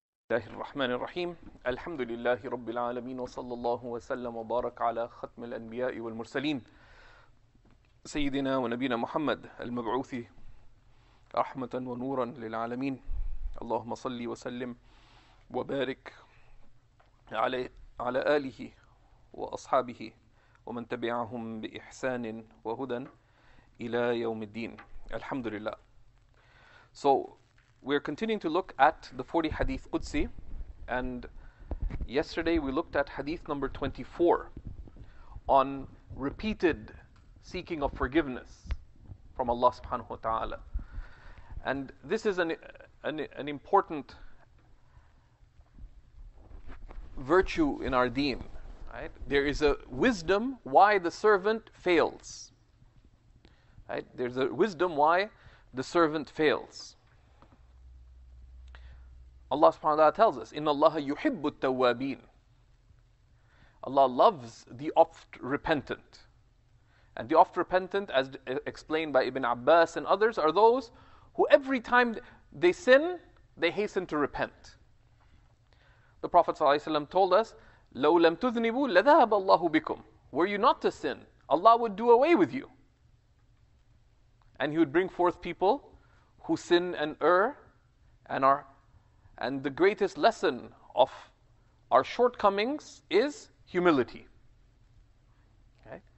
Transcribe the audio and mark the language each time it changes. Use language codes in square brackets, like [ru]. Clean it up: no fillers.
[ar] بسم الله الرحمن الرحيم الحمد لله رب العالمين وصلى الله وسلم وبارك على ختم الأنبياء والمرسلين سيدنا ونبينا محمد المبعوث رحمة ونورا للعالمين اللهم صل وسلم وبارك على آله وأصحابه ومن تبعهم بإحسان وهدى إلى يوم الدين الحمد لله. [en] So we are continuing to look at the 40 hadith Qudsi, and yesterday we looked at hadith number 24 on repeated seeking of forgiveness from Allah subhanahu wa ta'ala. And this is an important virtue in our deen, right? There is a wisdom why the servant fails, right? There's a wisdom why the servant fails. Allah subhanahu wa ta'ala tells us, [ar] إِنَّ اللَّهَ يُحِبُّ التَّوَّابِينَ. [en] Allah loves the oft-repentant. And the oft-repentant, as explained by Ibn Abbas and others, are those who every time they sin, they hasten to repent. The Prophet ﷺ told us, [ar] لَوْ لَمْ تُذْنِبُوا لَذَهَبَ اللَّهُ بِكُمْ. [en] Were you not to sin, Allah would do away with you. And He would bring forth people who sin and err and are. And the greatest lesson of our shortcomings is humility. Right?